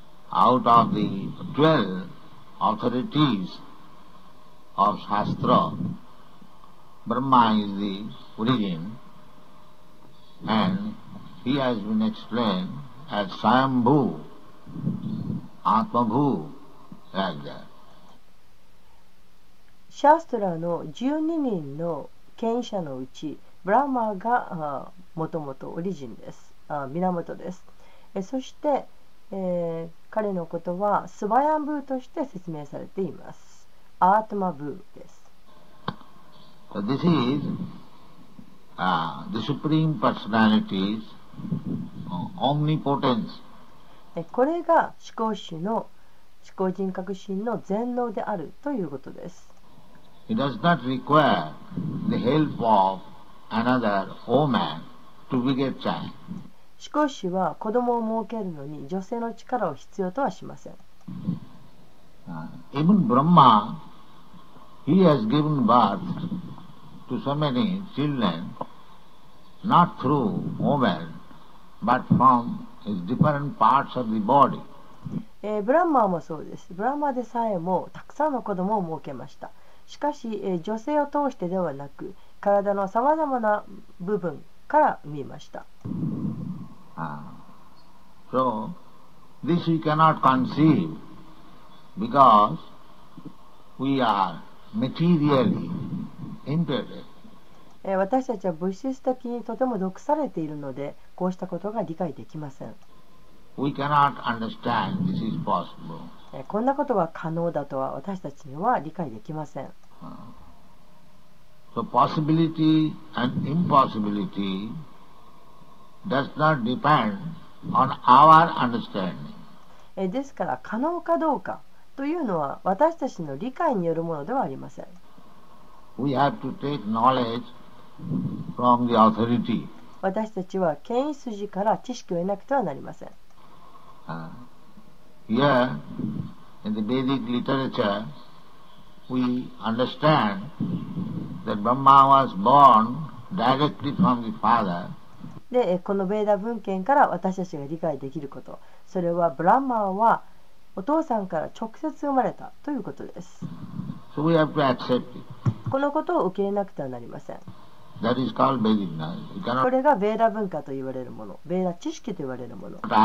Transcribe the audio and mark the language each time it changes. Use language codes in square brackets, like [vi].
[en] Out of the 12 authorities of Shastra, Brahma is the origin and he has been explained as Svayambhu, Atmabhu, like that. [ja] シャストラの12人の権威者のうち、ブラマーがもともとオリジンです、源です。そして、彼のことはスバヤンブーとして説明されています。アートマブーです。 [en] So、this is the supreme personality's omnipotence. [ja] これが思考主の思考人格神の全能であるということです。 [en] He does not require the help of another woman to beget child. [ja] 思考主は子供を設けるのに女性の力を必要とはしません。 [en] Even Brahma, he has given birth to so many children, not through woman, but from his different parts of the body. [ja] ブランマーもそうです。ブランマーでさえもたくさんの子供を設けました。しかし、女性を通してではなく体のさまざまな部分から産みました。 [en] So this we cannot conceive because we are materially interested. [ja] 私たちは物質的にとても毒されているのでこうしたことが理解できません。 [en] We cannot understand this is possible. [ja] こんなことは可能だとは私たちには理解できません。 [en] So possibility and impossibility does not depend on our understanding. [ja] ですから可能かどうかというのは私たちの理解によるものではありません。 [en] We have to take knowledge from the authority. [ja] 私たちは権威筋から知識を得なくてはなりません。 [en] Here, in the Vedic literature, we understand that Brahma was born directly from the father. [ja] で、このベーダ文献から私たちが理解できること、それはブランマーはお父さんから直接生まれたということです。 [en] So we have to accept it. [ja] このことを受け入れなくてはなりません。 [en] That is called Vedic knowledge. You cannot... [ja] これがベーダ文化と言われるもの、ベーダ知識と言われるもの。